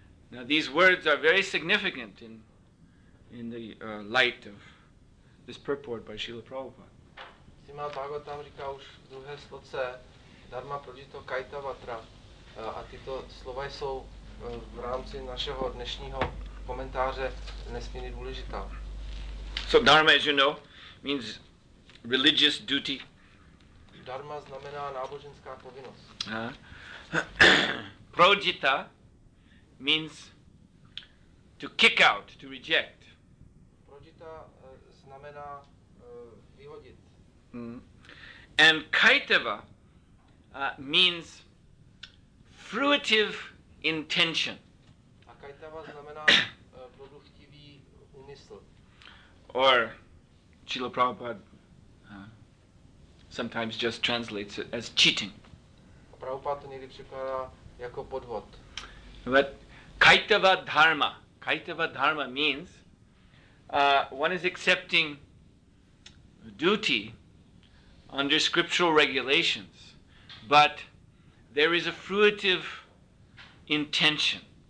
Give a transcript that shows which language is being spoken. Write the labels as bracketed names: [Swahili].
[English] Now these words are very significant in the light of this purport by Srila Prabhupada. [Czech] Srimad Bhagavatam říká už v druhé sloce Dharma Projita Kaitava Atra. A tyto slova jsou v rámci našeho dnešního komentáře nesmírně důležitá. [English] So dharma, as you know, means religious duty. [Czech] Dharma znamená náboženská povinnost. [English] Projita means to kick out, to reject. [Czech] Projita znamená vyhodit. [English] And kaitava means fruitive intention. [Czech] A kaitava znamená produktivní úmysl. [English] Or Srila Prabhupada sometimes just translates it as cheating. [Czech] Prabhupada to někdy překládá jako podvod. [English] But kaitava dharma means one is accepting duty under scriptural regulations, but there is a fruitive intention.